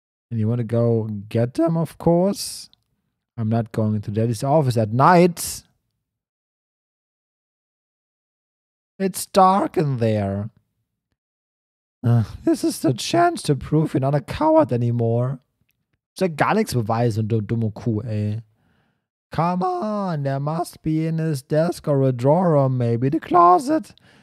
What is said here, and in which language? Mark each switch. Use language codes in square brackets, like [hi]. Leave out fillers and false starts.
[en] And you want to go get them, of course? I'm not going into Daddy's office at night. It's dark in there. This is the chance to prove you're not a coward anymore. [de] Ist ja gar nichts beweisen und du dumme Kuh, ey. [en] Come on, there must be in his desk or a drawer or maybe the closet.